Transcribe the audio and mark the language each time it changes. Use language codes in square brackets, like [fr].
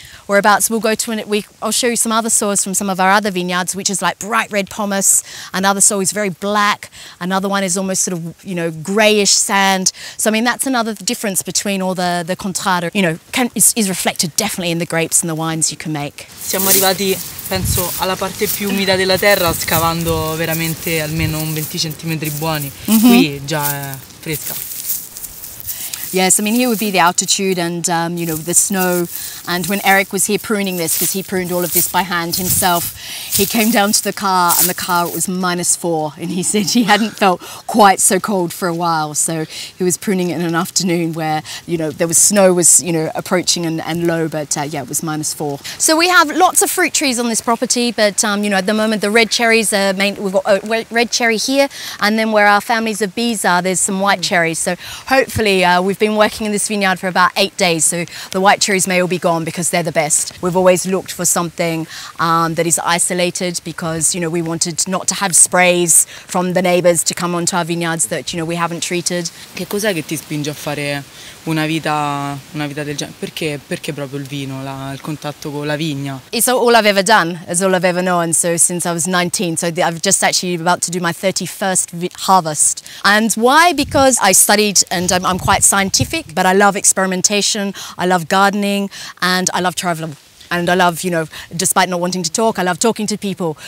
[en] Whereabouts we'll go to, I'll show you some other soils from some of our other vineyards, which is like bright red pomace. Another soil is very black. Another one is almost sort of, you know, greyish sand. So I mean, that's another difference between all the contrada. You know, is reflected definitely in the grapes and the wines you can make. [it] Siamo arrivati, penso, alla parte più umida della terra, scavando veramente almeno un 20 centimetri buoni. Mm-hmm. Qui già è fresca. [en] Yes, I mean, here would be the altitude and, you know, the snow. And when Eric was here pruning this, because he pruned all of this by hand himself, he came down to the car and the car, it was -4. And he said he hadn't felt quite so cold for a while. So he was pruning it in an afternoon where, you know, there was snow was, you know, approaching and low, but yeah, it was -4. So we have lots of fruit trees on this property, but, you know, at the moment, the red cherries are main, we've got a red cherry here. And then where our families of bees are, there's some white cherries. So hopefully we've been working in this vineyard for about 8 days, so the white cherries may all be gone because they're the best. We've always looked for something that is isolated because, you know, we wanted not to have sprays from the neighbors to come onto our vineyards that, you know, we haven't treated. [it] Che cos'è che ti spinge a fare una vita del genere? Perché proprio il vino, il contatto con la vigna? [en] It's all I've ever done, it's all I've ever known, so since I was 19, so I've just actually about to do my 31st harvest. And why? Because I studied and I'm quite scientific, but I love experimentation, I love gardening, and I love traveling. And I love, you know, despite not wanting to talk, I love talking to people.